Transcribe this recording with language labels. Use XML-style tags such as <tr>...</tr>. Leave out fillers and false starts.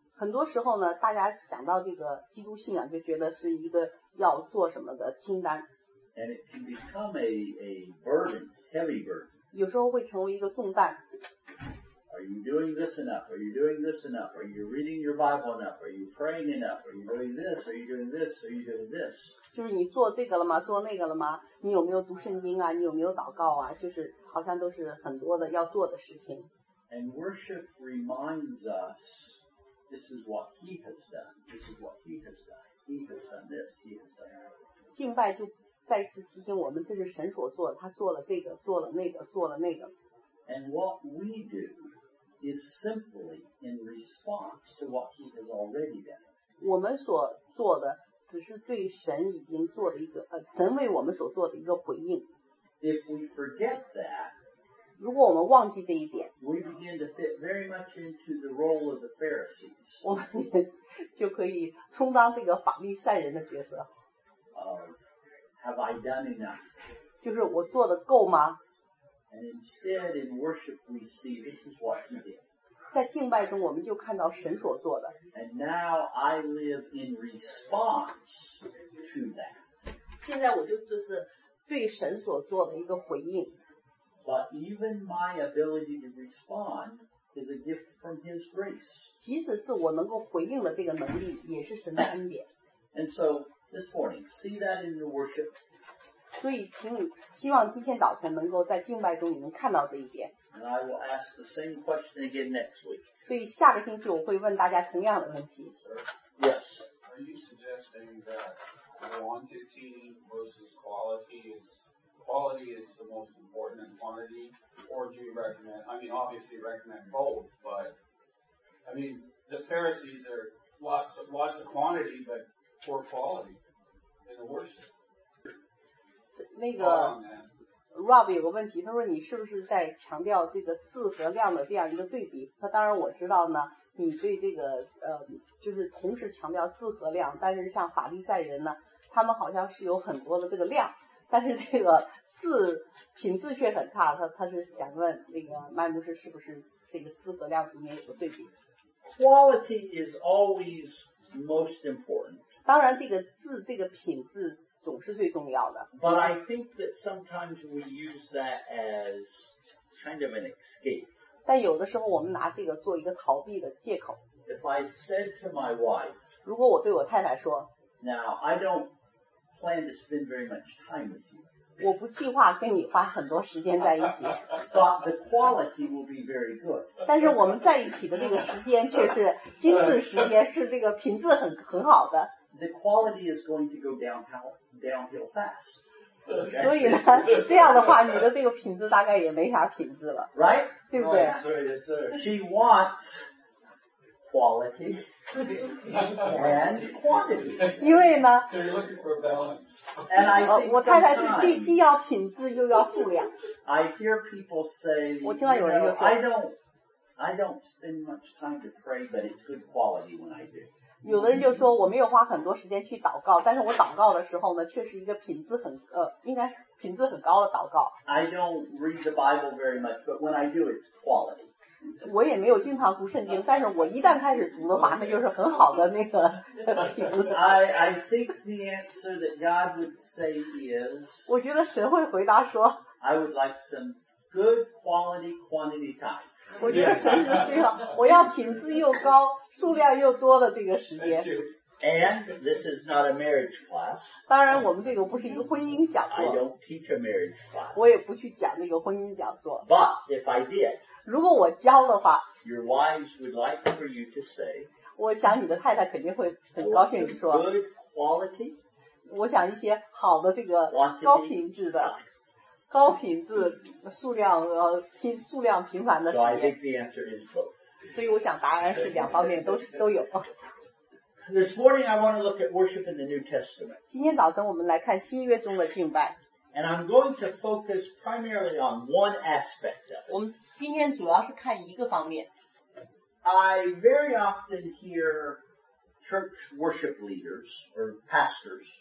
<zh>很多时候呢大家想到这个基督信仰就觉得是一个要做什么的清单。</zh> <en>And it can become a burden, heavy burden.</en> <zh>有时候会成为一个重担。</zh> <en>Are you doing this enough? Are you doing this enough? Are you reading your Bible enough? Are you praying enough? Are you doing this? Are you doing this? Are you doing this?</en> <zh>就是你做这个了吗？做那个了吗？你有没有读圣经啊？你有没有祷告啊？就是好像都是很多的要做的事情。</zh> <en>And worship reminds us,This is what he has done. This is what he has done. He has done this. He has done that.</en> <zh>敬拜就再次提醒我们，这是神所做的。他做了这个，做了那个，做了那个。</zh> <en>And what we do is simply in response to what he has already done.</en> <zh>我们所做的只是对神已经做的一个神为我们所做的一个回应。</zh> <en>If we forget that.</en> <zh>如果我们忘记这一点</zh> <en>we begin to fit very much into the role of the Pharisees.</en> <zh>我们就可以充当这个法利赛人的角色</zh> <en>Have I done enough?</en> <zh>就是我做得够吗</zh> <en>And instead in worship we see this is what he did.</en> <zh>在敬拜中我们就看到神所做的</zh> <en>And now I live in response to that.</en> <zh>现在我就是对神所做的一个回应</zh> <en>But even my ability to respond is a gift from His grace.</en> <zh>即使是我能够回应了这个能力，也是神的恩典。</zh> <en>And so this morning, see that in your worship.</en> <zh>所以，请你希望今天早晨能够在敬拜中你能看到这一点。</zh> <en>And I will ask the same question again next week.</en> <zh>所以下个星期我会问大家同样的问题。</zh> <en>Yes. Are you suggesting that quantity versus quality is quality is the most important in quantity, or do you recommend? I mean, obviously recommend both, but I mean the Pharisees are lots of quantity, but poor quality in the worship.</en> <zh>那个。 Rob 有个问题，他说你是不是在强调这个字和量的这样一个对比？他当然我知道呢，你对这个就是同时强调字和量，但是像法利赛人呢，他们好像是有很多的这个量，但是这个字品质却很差。他是想问那个麦牧师是不是这个字和量里面有个对比</zh> <en>？Quality is always most important.</en> <zh>当然，这个字这个品质。总是最重要的。</zh> <en>But I think that sometimes we use that as kind of an escape.</en> <zh>但有的时候我们拿这个做一个逃避的借口。</zh> <en>If I said to my wife,</en> <zh>如果我对我太太说</zh> <en>Now, I don't plan to spend very much time with you.</en> <zh>我不计划跟你花很多时间在一起。</zh> <en>But the quality will be very good.</en> <zh>但是我们在一起的这个时间却是精致时间，是这个品质很好的。</zh> <en>The quality is going to go downhill fast.</en> <zh>所以呢，这样的话，你的这个品质大概也没啥品质了</zh> <en>，right？</en> <zh>对不对</zh> <en>？Yes, sir. Yes, sir. She wants quality and quantity.</en> <zh>因为呢</zh> <en>，So you're looking for balance. And I,</en> <zh>我太太是既要品质又要数量。</zh> <en>I hear people say,</en> <zh>我听到有人说</zh> <en>，I don't spend much time to pray, but it's good quality when I do.</en> <zh>有的人就说我没有花很多时间去祷告，但是我祷告的时候呢，却是一个品质很应该品质很高的祷告。</zh> <en>I don't read the Bible very much, but when I do, it's quality.</en> <zh>我也没有经常读圣经，但是我一旦开始读的话，那就是很好的那个品质。</zh> <en>I think the answer that God would say is.</en> <zh>我觉得神会回答说。</zh> <en>I would like some good quality quantity time.</en> <zh>我觉得神是这样，我要品质又高、数量又多的这个时间。</zh> <en>And this is not a marriage class.</en> <zh>当然，我们这个不是一个婚姻讲座。</zh> <en>I don't teach a marriage class.</en> <zh>我也不去讲那个婚姻讲座。</zh> <en>But if I did,</en> <zh>如果我教的话</zh> <en>，Your wives would like for you to say.</en> <zh>我想你的太太肯定会很高兴地说。</zh> <en>Good quality.</en> <zh>我想一些好的这个高品质的。高品质数量数量频繁的。</zh> <en>So I think the answer is both.</en> <zh>所以我想答案是两方面都有。</zh> <en>This morning I want to look at worship in the New Testament.</en> <zh>今天早晨我们来看新约中的敬拜。</zh> <en>And I'm going to focus primarily on one aspect of it.</en> <zh>我们今天主要是看一个方面。</zh> <en>I very often hear church worship leaders or pastors.</en>